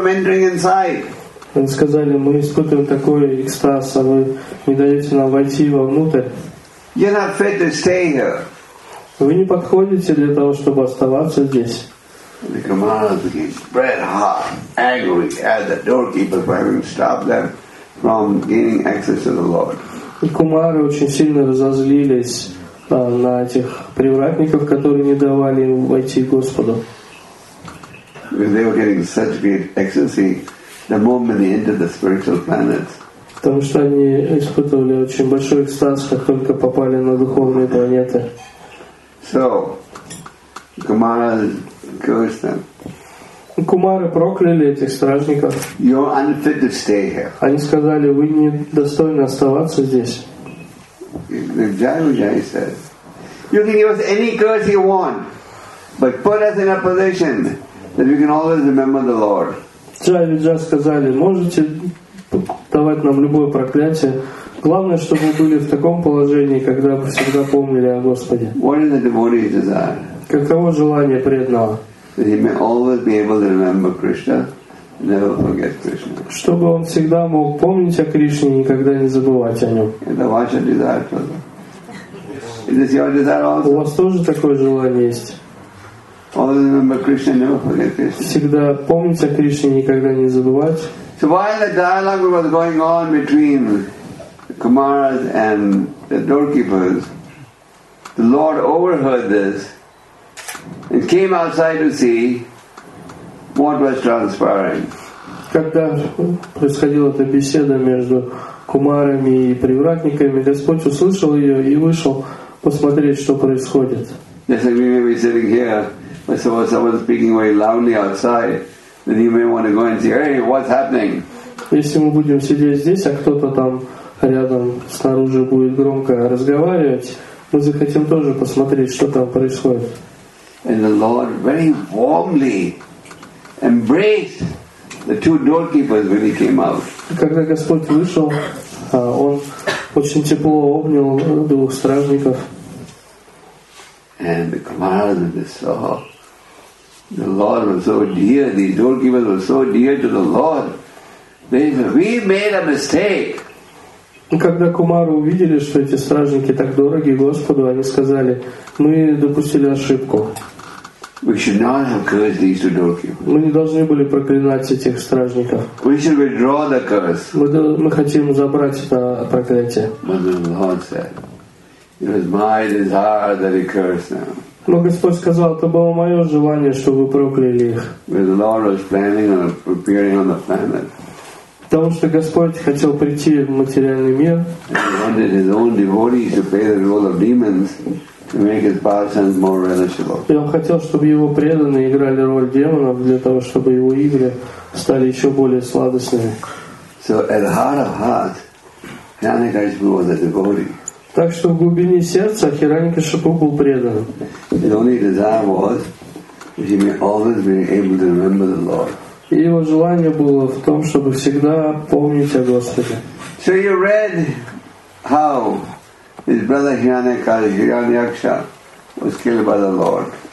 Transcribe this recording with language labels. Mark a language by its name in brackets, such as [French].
[Russian] Они сказали: «Мы испытываем такой экстаз, а вы не даете нам войти вовнутрь». [English] You're not fit to stay here. [Russian] Вы не подходите для того, чтобы оставаться здесь. [English] The Kumaras became red hot, angry at the doorkeeper for having stopped them from gaining access to the Lord. [Russian] И кумары очень сильно разозлились на этих привратников, которые не давали им войти к Господу. [English] Because they were getting such great ecstasy the moment they entered the spiritual planets. [Russian] Потому что они испытывали очень большой экстаз, как только попали на духовные планеты. [English] So, the Kumaras cursed them. [Russian] Кумары прокляли этих стражников. [English] You're unfit to stay here. [Russian] Они сказали: вы не достойны оставаться здесь. [English] Jai said, you can give us any curse you want, but put us in a position that we can always remember the Lord. [Russian] Джай сказали: можете давать нам любое проклятие, главное, чтобы мы были в таком положении, когда мы всегда помнили о Господе. [English] What is the devotee's desire? [Russian] Каково желание преданного? [English] That he may always be able to remember Krishna, never forget Krishna. [Russian] Чтобы он всегда мог помнить о Кришне и никогда не забывать о нем. Это ваше желание тоже. [English] Is this your desire also? [Russian] У вас тоже такое желание есть? [English] Always remember Krishna, never forget Krishna. [Russian] Всегда помнить о Кришне и никогда не забывать. [English] So while the dialogue was going on between the Kumaras and the doorkeepers, the Lord overheard this. And came outside to see what was transpiring. [Russian] Когда происходила эта беседа между кумарами и привратниками, Господь услышал ее и вышел посмотреть, что происходит. [English] Yes, we may be sitting here, but someone speaking very loudly outside, then you may want to go and see, hey, what's happening? [Russian] Если мы будем сидеть здесь, а кто-то там рядом снаружи будет громко разговаривать, мы захотим тоже посмотреть, что там происходит. [English] And the Lord very warmly embraced the two doorkeepers when he came out. [Russian] Когда Господь вышел, он очень тепло обнял двух стражников. [English] And the Kumaras and they saw the Lord was so dear. These doorkeepers were so dear to the Lord. They said, "We made a mistake. [Russian] И когда кумары увидели, что эти стражники так дороги Господу, они сказали: мы допустили ошибку. [English] We should not have cursed these adulterers. [Russian] Мы не должны были проклинать этих стражников. [English] We should withdraw the curse. [Russian] Мы хотим забрать это проклятие. [English] But the Lord said, it was my desire that he cursed them. [Russian] Но Господь сказал, это было мое желание, чтобы прокляли их. [English] But the Lord was planning on appearing on the planet. [Russian] Потому что Господь хотел прийти в материальный мир. [English] He wanted his own devotees to play the role of demons. To make his parishioners more relishable. [Russian] И он хотел, чтобы его преданные играли роль демонов для того, чтобы его игры стали еще более сладостными. [English] So at heart of heart, Hiranyakashipu was a devotee. [Russian] Так что в глубине сердца Хиранья-Кашипу был предан. [English] His only desire was that he may always be able to remember the Lord. [Russian] И его желание было в том, чтобы всегда помнить о Господе. [English] So you read how his brother Hiranyaksha was killed by the Lord.